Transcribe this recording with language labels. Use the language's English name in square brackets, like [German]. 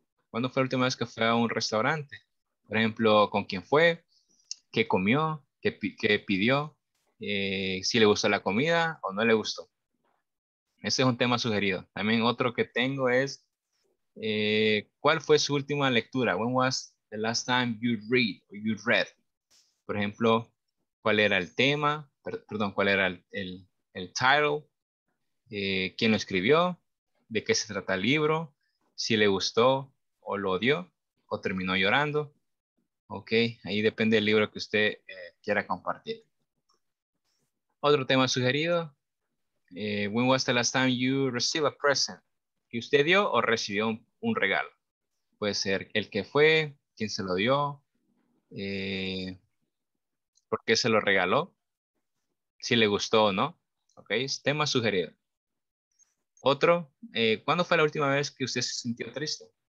[Spanish] ¿Cuándo fue la última vez que fue a un restaurante? Por ejemplo, ¿con quién fue? ¿Qué comió? ¿Qué pidió? ¿Si le gustó la comida o no le gustó? Ese es un tema sugerido. También otro que tengo es, ¿cuál fue su última lectura? [English] When was the last time you read or you read? [Spanish] Por ejemplo, ¿cuál era el tema? Perdón, ¿cuál era el title? ¿Quién lo escribió? ¿De qué se trata el libro? ¿Si le gustó o lo odió? ¿O terminó llorando? Ok, ahí depende del libro que usted quiera compartir. Otro tema sugerido. [English] When was the last time you received a present? [Spanish] ¿Que usted dio o recibió un regalo? Puede ser el que fue, quién se lo dio, por qué se lo regaló, si le gustó o no. Ok, tema sugerido. Otro, ¿cuándo fue la última vez que usted se sintió triste?